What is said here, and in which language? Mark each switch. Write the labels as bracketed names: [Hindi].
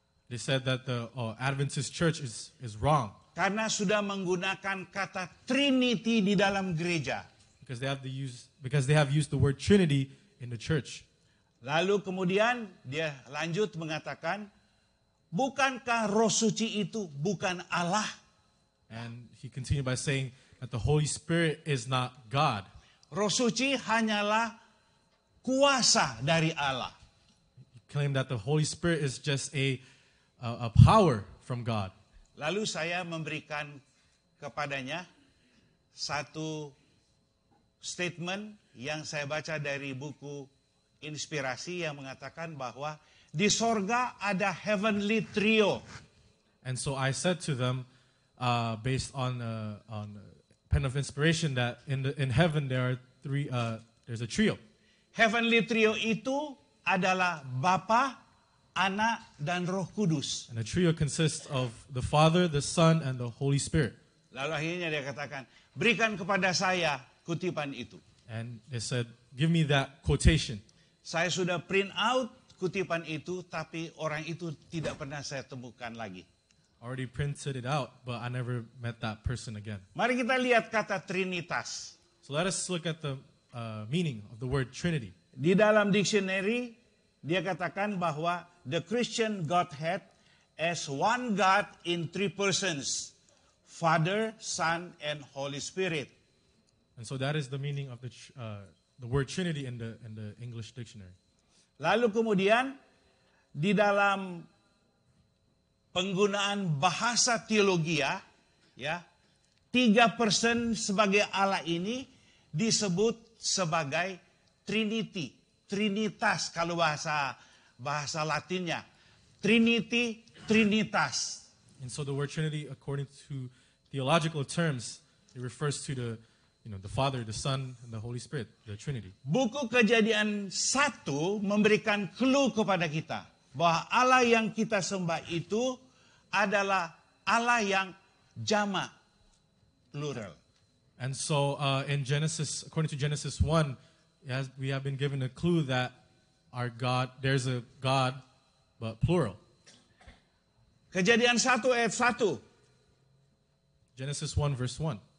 [English] They said that the Adventist Church is wrong. [Indonesian] Karena sudah menggunakan kata Trinity di dalam gereja. [English] Because they have used the word Trinity in the church. [Indonesian] Lalu kemudian dia lanjut mengatakan, bukankah Roh Suci itu bukan Allah? [English] And he continued by saying that the Holy Spirit is not God. [Indonesian] Roh Suci hanyalah kuasa dari Allah. [English] He claimed that the Holy Spirit is just a power from God. [Indonesian] Lalu saya memberikan kepadanya satu statement yang saya baca dari buku Inspirasi yang mengatakan bahwa di sorga ada heavenly trio. [English] And so I said to them, based on pen of inspiration, that in heaven there are three, there's a trio. [Indonesian] Heavenly trio itu adalah Bapa, Anak, dan Roh Kudus. [English] And the trio consists of the Father, the Son, and the Holy Spirit. [Indonesian] Lalu akhirnya dia katakan, berikan kepada saya kutipan itu. [English] And they said, give me that quotation. [Indonesian] Saya sudah print out kutipan itu, tapi orang itu tidak pernah saya temukan lagi. [English] Already printed it out, but I never met that person again. [Indonesian] Mari kita lihat kata Trinitas. [English] So let us look at the meaning of the word Trinity. [Indonesian] Di dalam dictionary, dia katakan bahwa [English] the Christian Godhead as one God in three persons, Father, Son, and Holy Spirit. And so that is the meaning of the word Trinity in the English dictionary. [Indonesian] Lalu kemudian di dalam penggunaan bahasa teologia, ya, tiga person sebagai Allah ini disebut sebagai Trinity. Trinitas kalau bahasa Latinnya. Trinity, Trinitas. [English] And so the word Trinity, according to theological terms, it refers to the, you know, the Father, the Son, and the Holy Spirit, the Trinity. [Indonesian] Buku Kejadian 1 memberikan clue kepada kita bahwa Allah yang kita sembah itu adalah Allah yang jama, plural. [English] And so in Genesis, according to Genesis 1, yes, we have been given a clue that our God, there's a God, but plural. [Indonesian] Kejadian 1 ayat 1. [English] Genesis 1 verse 1.